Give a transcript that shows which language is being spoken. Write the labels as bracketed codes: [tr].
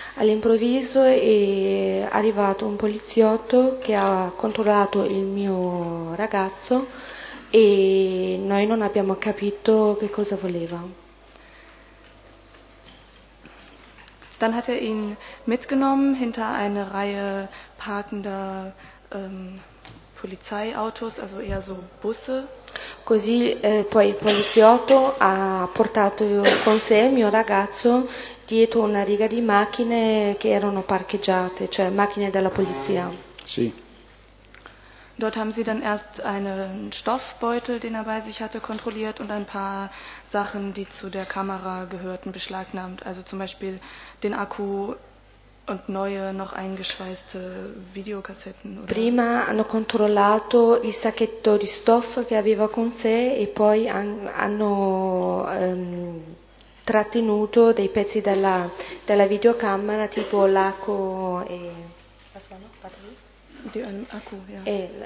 [it] All'improvviso è arrivato un poliziotto che ha controllato il mio ragazzo e noi non abbiamo capito che cosa voleva. [de] Dann hat er ihn mitgenommen hinter eine Reihe parkender Polizeiautos, also eher so Busse. [it] Così poi il poliziotto ha portato con sé mio ragazzo dietro una riga di macchine che erano parcheggiate, cioè macchine della polizia. Sì. [de] Dort haben sie dann erst einen Stoffbeutel, den er bei sich hatte, kontrolliert und ein paar Sachen, die zu der Kamera gehörten, beschlagnahmt. Also zum Beispiel den Akku und neue, noch eingeschweißte Videokassetten. Oder? [it] Prima hanno controllato il sacchetto di stoffa che aveva con sé e poi hanno trattenuto dei pezzi della videocamera, tipo l'acqua e... [de] Was war noch? Batterie?